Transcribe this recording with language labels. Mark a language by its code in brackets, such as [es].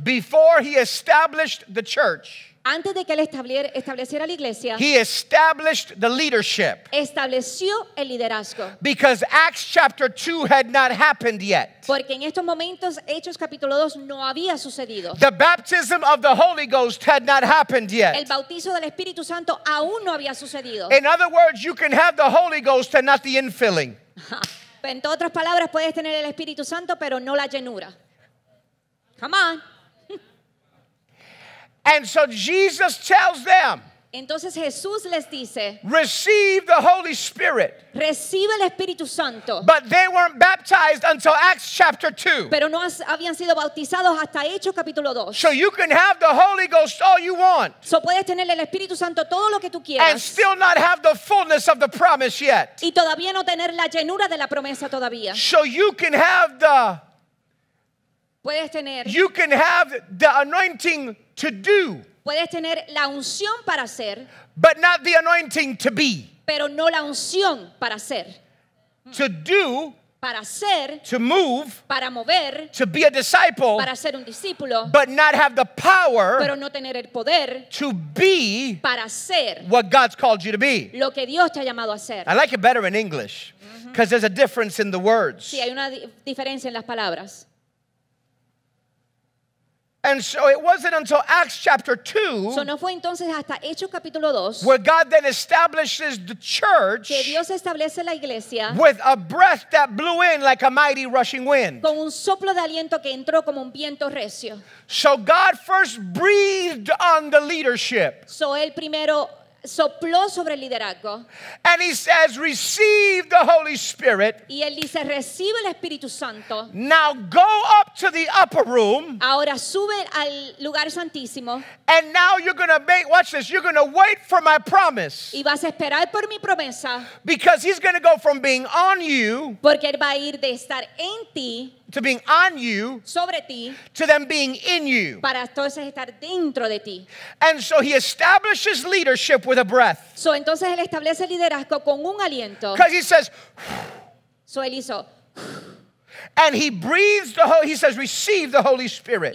[en] Before he established the church. [es] Antes de que él estableciera la iglesia, [en] he established the leadership. [es] Estableció el liderazgo. [en] Because Acts chapter 2 had not happened yet. [es] Porque en estos momentos, Hechos capítulo 2 no había sucedido. [en] The baptism of the Holy Ghost had not happened yet. [es] El bautizo del Espíritu Santo aún no había sucedido. [en] In other words, you can have the Holy Ghost and not the infilling. [es] En otras palabras, puedes tener el Espíritu Santo, pero no la llenura. [en] Come on. And so Jesus tells them. [es] Entonces Jesús les dice. [en] Receive the Holy Spirit. [es] Recibe el Espíritu Santo. [en] But they weren't baptized until Acts chapter 2. [es] Pero no habían sido bautizados hasta Hechos capítulo 2. [en] So you can have the Holy Ghost all you want. [es] So puedes tener el Espíritu Santo todo lo que tú quieras. [en] And still not have the fullness of the promise yet. [es] Y todavía no tener la llenura de la promesa todavía. [en] So you can have the. [es] Puedes tener. [en] You can have the anointing. To do. [es] Puedes tener la unción para hacer. [en] But not the anointing to be. [es] Pero no la unción para hacer. [en] To do. [es] Para hacer. [en] To move. [es] Para mover. [en] To be a disciple. [es] Para ser un discípulo. [en] But not have the power. [es] Pero no tener el poder. [en] To be. [es] Para ser. [en] What God's called you to be. [es] Lo que Dios te ha llamado a hacer. [en] I like it better in English. Because there's a difference in the words. [es] Sí, hay una diferencia en las palabras. [en] And so it wasn't until Acts chapter 2, [es] so no fue entonces hasta Hechos capítulo 2, [en] where God then establishes the church, [es] que Dios establece la iglesia, [en] with a breath that blew in like a mighty rushing wind. [es] Con un soplo de aliento que entró como un viento recio. [en] So God first breathed on the leadership. [es] So él primero sopló sobre el liderazgo. [en] And he says, receive the Holy Spirit. [es] Y él dice, recibe el Espíritu Santo. [en] Now go up to the upper room. [es] Ahora sube al lugar santísimo. [en] And now you're going to make, watch this, you're going to wait for my promise. [es] Y vas a esperar por mi promesa. [en] Because he's going to go from being on you. [es] Porque él va a ir de estar en ti. [en] To being on you, [es] sobre ti, [en] to them being in you. [es] Para entonces estar dentro de ti. [en] And so he establishes leadership with a breath. [es] So entonces él establece liderazgo con un aliento. [en] Because he says, [es] so él hizo, [en] and he breathes the Holy, he says, receive the Holy Spirit.